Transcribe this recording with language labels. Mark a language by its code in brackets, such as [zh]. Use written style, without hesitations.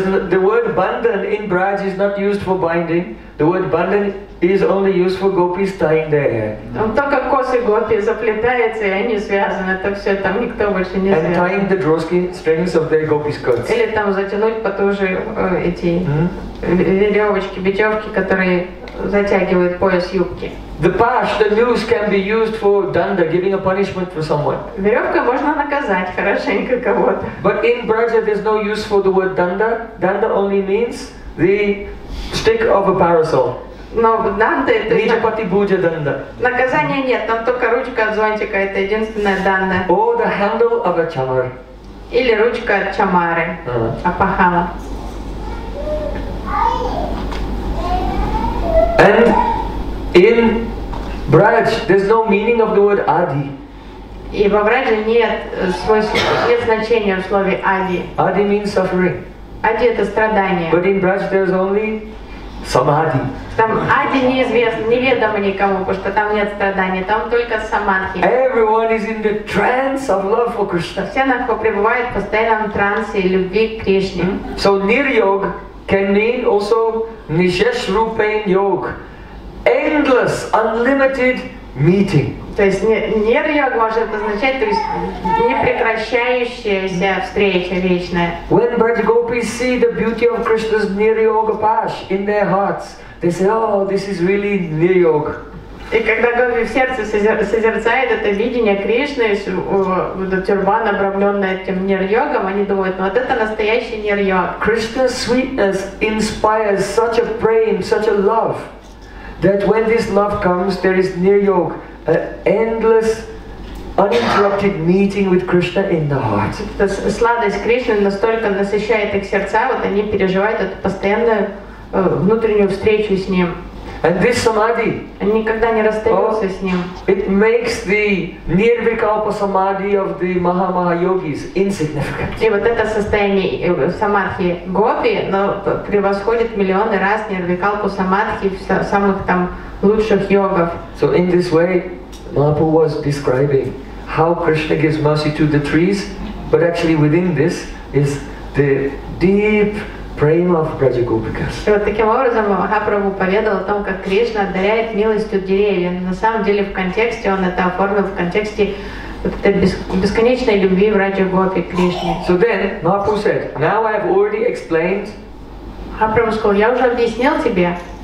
[en] The word bandhan in Braj is not used for binding. The word bandhan is only used for gopis tying their hair. [ru] Только косы гопи заплетаются, и они связаны, это все, там никто больше не знает. [en] And tying the drawskin strings of their gopi skirts. [ru] Или там затянуть потуже эти веревочки, бечевки, которые затягивают пояс юбки. [en] The pash, the noose can be used for danda, giving a punishment for someone. [ru] Веревка можно наказать хорошенько кого-то. [en] But in Braja there's no use for the word danda. Danda only means the stick of a parasol. [ru] Но данда это. [sa] Виджапати буджа данда. [ru] Наказания нет, там только ручка от зонтика, это единственная данда. [en] Or the handle of a chamar. [ru] Или ручка от чамары. Апахала. [en] And in Braj there's no meaning of the word adi. [ru] И во Браже нет смысла, нет значения в слове ади. [en] Ади means suffering. [ru] Ади это страдание. [en] But in Braj there's only самадхи. [ru] Там ади неизвестно, неведомо никому, потому что там нет страданий, там только самадхи. [en] Everyone is in the trance of love for Krishna. [ru] Все находятся, пребывают в постоянном трансе любви к Кришне. [en] So nir-yog can mean also nishesh-rupen yog, endless, unlimited meeting. [ru] То есть нир-йог может означать, то есть непрекращающаяся встреча вечная. [en] When Braj gopis see the beauty of Krishna's nir-yoga pash in their hearts, they say, oh, this is really nir-yog. [ru] И когда гопи в сердце созерцает это видение Кришны, тюрбан, обрамленный этим нир-йогом, они думают, ну вот это настоящий нир-йог. [en] Krishna's sweetness inspires such a prem, such a love, that when this love comes, there is nir-yog, an endless, uninterrupted meeting with Krishna in the heart. [ru] Сладость Кришны настолько насыщает их сердца, вот они переживают эту постоянную внутреннюю встречу с Ним. [en] And this samadhi, [ru] они никогда не расстаются с Ним. [en] It makes the nirvikalpa samadhi of the maha-maha-yogis insignificant. [ru] И вот это состояние самадхи гопи, но превосходит миллионы раз нирвикалпу самадхи самых там лучших йогов. [en] So in this way, Mahaprabhu was describing how Krishna gives mercy to the trees, but actually within this is the deep prema of Braja Gopikas. [ru] И вот таким образом Махапрабху поведал о том, как Кришна одаряет милостью деревья. На самом деле в контексте он это оформил в контексте вот этой бесконечной любви Браджа Гопи к Кришне. [en] So then Mahaprabhu said, now I have already explained. [ru] Махапрабху сказал, я уже объяснил тебе.